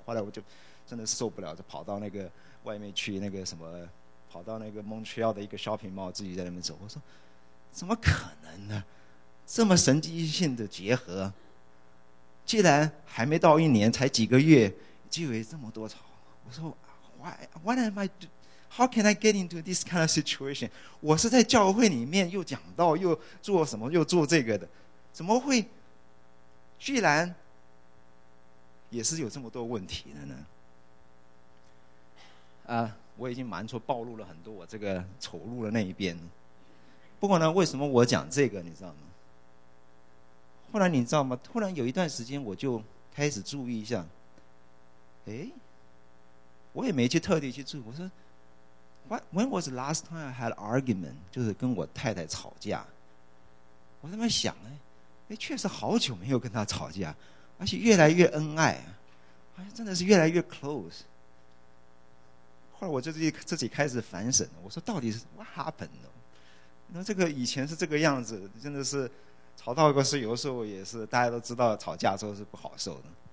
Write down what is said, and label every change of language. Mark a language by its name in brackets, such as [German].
[Chinese] 后来我就真的受不了，就跑到那个外面去，那个什么，跑到那个 Montreal 的一个 shopping mall， 自己在那边走。我说，怎么可能呢？这么神经性的结合，既然还没到一年，才几个月，就有这么多吵。我说 [English] ，Why am I？ How can I get into this kind of situation？ [Chinese] 我是在教会里面又讲到又做什么又做这个的。怎么会居然也是有这么多问题的呢？啊，我已经瞒着暴露了很多我这个丑陋的那一边。不过呢，为什么我讲这个你知道吗？后来你知道吗，突然有一段时间我就开始注意一下，哎，我也没去特地去注意。我说 [English] When was the last time I had argument? [Chinese] 就是跟我太太吵架。我在那想，哎，确实好久没有跟她吵架，而且越来越恩爱，好像真的是越来越 close。后来我就自己开始反省，我说到底是 [English] what happened? [Chinese] 那这个以前是这个样子，真的是吵到过，是有时候也是大家都知道吵架之后是不好受的。